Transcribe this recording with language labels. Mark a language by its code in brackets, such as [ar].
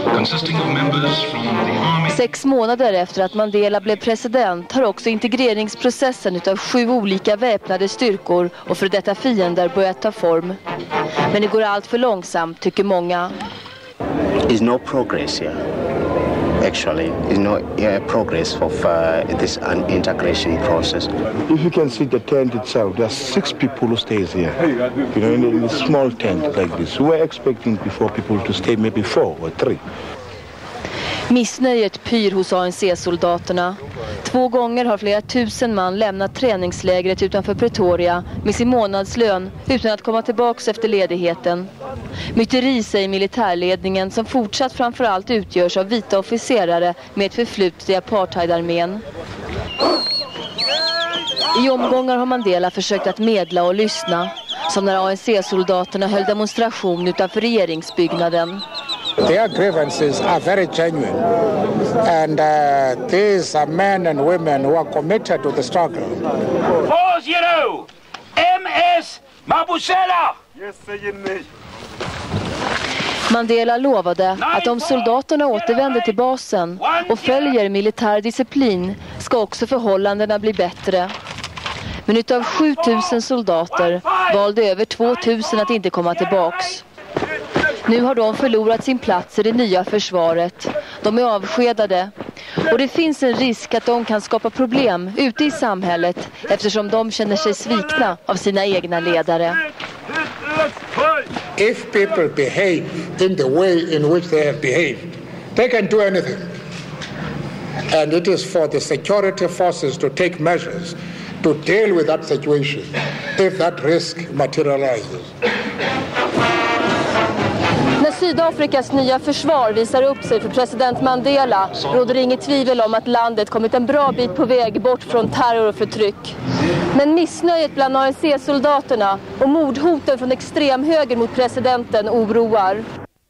[en] consisting of members from the army. [sv] 6 månader efter att Mandela blev president har också integreringsprocessen utav 7 olika väpnade styrkor och för detta fiender börjat ta form. Men det går allt för långsamt, tycker många. [en] Is no progress here. Actually, is no progress of this integration process. If you can see the tent itself, there are 6 people who stays here. You know, in a small tent like this. We were expecting before people to stay maybe 4 or 3. [sv] Missnöjet pyr hos ANC-soldaterna. 2 gånger har flera tusen man lämnat träningslägret utanför Pretoria med sin månadslön utan att komma tillbaka efter ledigheten. Myteri, säger militärledningen, som fortsatt framförallt utgörs av vita officerare med ett förflutet i apartheidarmén. I omgångar har Mandela försökt att medla och lyssna, som när ANC-soldaterna höll demonstration utanför regeringsbyggnaden. [en] Their grievances are very genuine, and these are men and women who are committed to the struggle. 4-0, MS Mabusela! Yes, [sv] Mandela lovade att om soldaterna återvänder till basen och följer militär disciplin ska också förhållandena bli bättre. Men utav 7000 soldater valde över 2000 att inte komma tillbaks. Nu har de förlorat sin plats i det nya försvaret. De är avskedade. Och det finns en risk att de kan skapa problem ute i samhället eftersom de känner sig svikna av sina egna ledare. [en] If people behave in the way in which they have behaved, they can do anything. And it is for the security forces to take measures to deal with that situation if that risk materializes. [sv] När Sydafrikas nya försvar visar upp sig för president Mandela råder inget tvivel om att landet kommit en bra bit på väg bort från terror och förtryck. Men missnöjet bland ANC-soldaterna och mordhoten från extremhöger mot presidenten oroar.